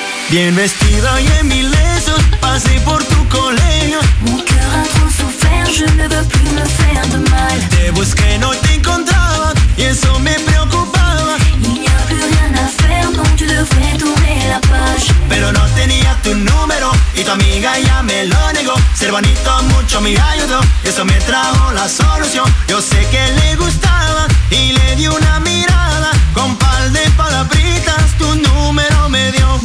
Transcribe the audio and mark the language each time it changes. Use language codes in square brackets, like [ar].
[es] Bien vestido y en mi lecho, pasé por tu colegio. [fr] Mon cœur a trop souffert, je ne veux plus me faire de mal. [es] Te busqué, no te encontraba, y eso me preocupaba. [fr] Il n'y a plus rien à faire, donc tu devrais tourner la page. [es] Pero no tenía tu número, y tu amiga ya me lo negó. Ser bonito mucho me ayudó, y eso me trajo la solución. Yo sé que le gustaba, y le di una mirada, con par de palabritas tu número me dio.